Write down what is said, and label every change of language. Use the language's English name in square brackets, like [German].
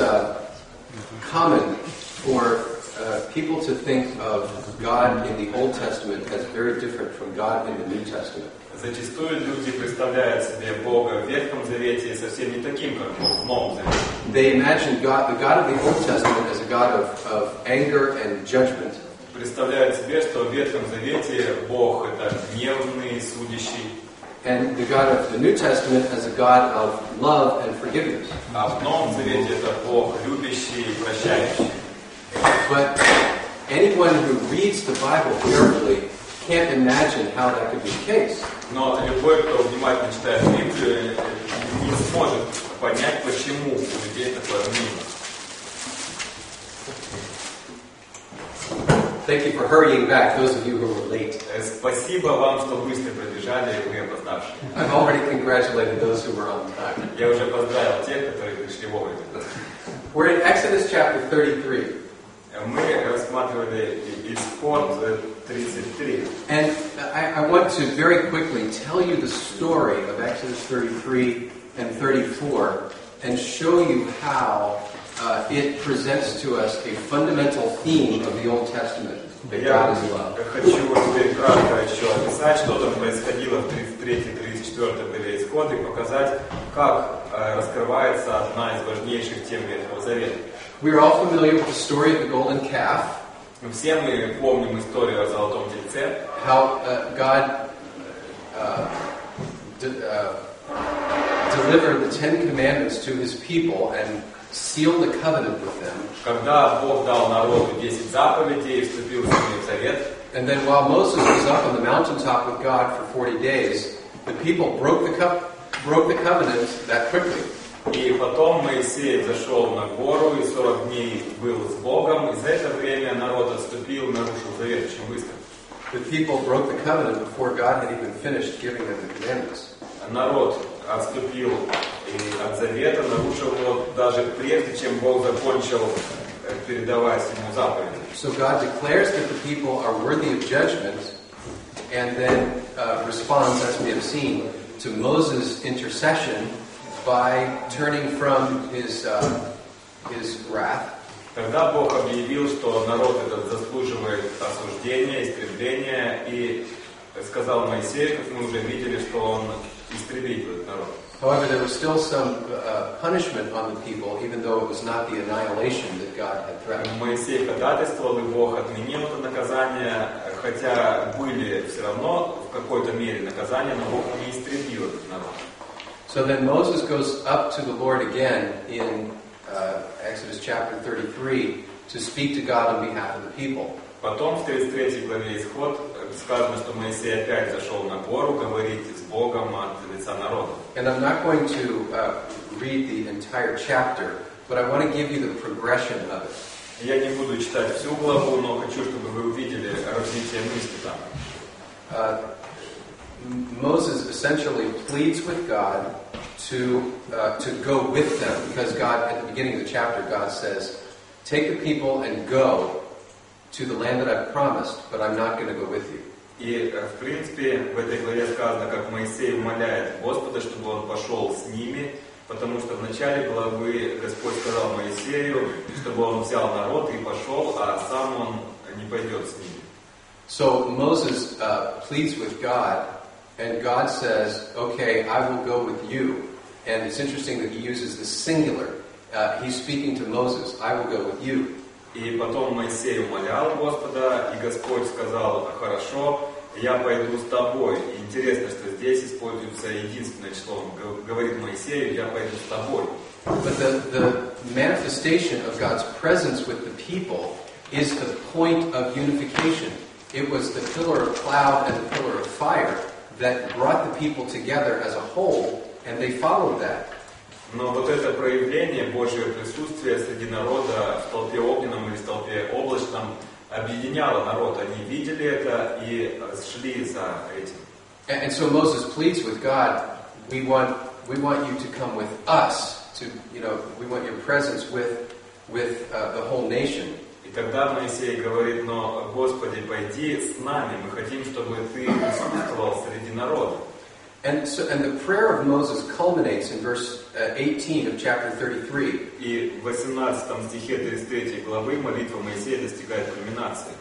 [English] It is common for people to think of God in the Old Testament as very different from God in the New Testament. [Russian] Зачастую люди представляют себе Бога в Ветхом Завете совсем не таким, как в Новом Завете. [English] They imagine God, the God of the Old Testament, as a God of anger and judgment. [Russian] Представляют себе, что в Ветхом Завете Бог — это гневный, судящий. [English] And the God of the New Testament as a God of love and forgiveness. [Russian] А в Новом Завете это Бог любящий и прощающий. [English] But anyone who reads the Bible carefully can't imagine how that could be the case. [Russian] Но любой, кто внимательно читает Библию, не сможет понять, почему у людей такое мнение. [English] Thank you for hurrying back, those of you who were late. [Russian] Спасибо вам, что быстро прибежали, и вы опоздавшие. [English] I've already congratulated those who were on time. [Russian] Я уже поздравил тех, которые пришли вовремя. [English] We're in Exodus chapter 33. [Russian] Мы рассматривали Исход 33. [English] And I want to very quickly tell you the story of Exodus 33 and 34 and show you how it presents to us a fundamental theme of the Old Testament, that God is love. [Russian] Я хочу теперь кратко еще описать, что там происходило в 33-34 были исходы, показать, как раскрывается одна из важнейших тем Ветхого Завета. [English] We are all familiar with the story of the golden calf. [Russian] Все мы помним историю о золотом тельце. [English] How God delivered the Ten Commandments to his people and sealed the covenant with them. [Russian] Когда Бог дал народу 10 заповедей и вступил с ними в завет. [English] And then while Moses was up on the mountaintop with God for 40 days, the people broke the covenant that quickly. [Russian] И потом Моисей зашел на гору и 40 дней был с Богом, и за это время народ отступил, нарушил завет очень быстро. [English] The people broke the covenant before God had even finished giving them the commandments. [Russian] Народ отступил от завета, нарушил его даже прежде, чем Бог закончил передавать ему заповеди. [English] So God declares that the people are worthy of judgment and then responds, as we have seen, to Moses' intercession by turning from his wrath. [Russian] Тогда Бог объявил, что народ этот заслуживает осуждения, истребления, и сказал Моисею, как мы уже видели, что он истребит этот народ. [English] However, there was still some punishment on the people, even though it was not the annihilation that God had threatened. [Russian] Моисей ходатайствовал, и Бог отменил это наказание, хотя были все равно в какой-то мере наказания, но Бог не истребил этот народ. [English] So then Moses goes up to the Lord again in Exodus chapter 33 to speak to God on behalf of the people. [Russian] Потом в 33 главе Исход сказано, что Моисей опять зашел на гору говорить с Богом от лица народа. [English] And I'm not going to read the entire chapter, but I want to give you the progression of it. [Russian] Я не буду читать всю главу, но хочу, чтобы вы увидели развитие мысли там. [English] Moses essentially pleads with God to go with them, because God, at the beginning of the chapter, God says, take the people and go to the land that I've promised, but I'm not going to go with you. [Russian] И, в принципе, в этой главе сказано, как Моисей умоляет Господа, чтобы он пошел с ними, потому что в начале главы Господь сказал Моисею, чтобы он взял народ и пошел, а сам он не пойдет с ними. [English] So Moses pleads with God, and God says, okay, I will go with you. And it's interesting that he uses the singular. He's speaking to Moses, I will go with you. [Russian] И потом Моисей умолял Господа, и Господь сказал, хорошо, я пойду с тобой. И интересно, что здесь используется единственное число, говорит Моисею, я пойду с тобой. [English] But the manifestation of God's presence with the people is the point of unification. It was the pillar of cloud and the pillar of fire that brought the people together as a whole, and they followed that. [Russian] Но вот это проявление Божьего присутствия среди народа в толпе огненном или в толпе облачном объединяло народ. Они видели это и шли за этим. [English] And so Moses pleads with God, we want you to come with us, to, you know, we want your presence with the whole nation. [Russian] И тогда Моисей говорит, но Господи, пойди с нами, мы хотим, чтобы ты присутствовал среди народа. [English] And so, and the prayer of Moses culminates in verse 18 of chapter 33. [Russian] И в 18 стихе 33 главы молитва Моисея достигает кульминации.